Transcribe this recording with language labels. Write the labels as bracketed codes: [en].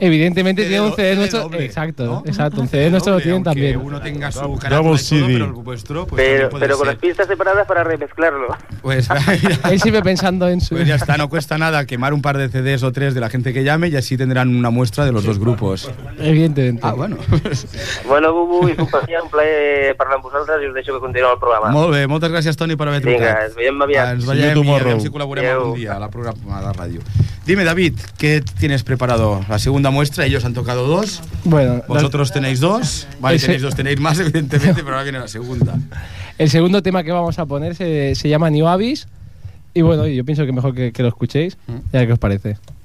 [es] Evidentemente tiene un CD nuestro... Doble, exacto, ¿no? Exacto, un CD nuestro lo tienen también. Aunque uno tenga su carácter todo, pero el vuestro... Pues pero con las pistas separadas para remezclarlo. Pues él sigue pensando en su... Pues ya está, no cuesta nada quemar un par de CDs o tres de la gente que llame y así tendrán una muestra de los dos grupos. Evidentemente. Ah, bueno. [ca] Bueno, Bubu, [es] y compañía, [ca] un plaer parlar amb vosaltres y os deixo que continuï el programa. Molt bé, moltes gràcies, Toni, per haver trucat. Vinga, ens veiem aviat. Ens veiem i a veure si col·laborem algun dia a la programa de ràdio. [es] Dime, David, ¿qué tienes preparado? La segunda muestra, ellos han tocado dos. Bueno, vosotros tenéis dos. Vale, tenéis dos, tenéis más, evidentemente, pero ahora viene la segunda. El segundo tema que vamos a poner se llama New Abyss. Y bueno, yo pienso que mejor que lo escuchéis y a ver qué os parece.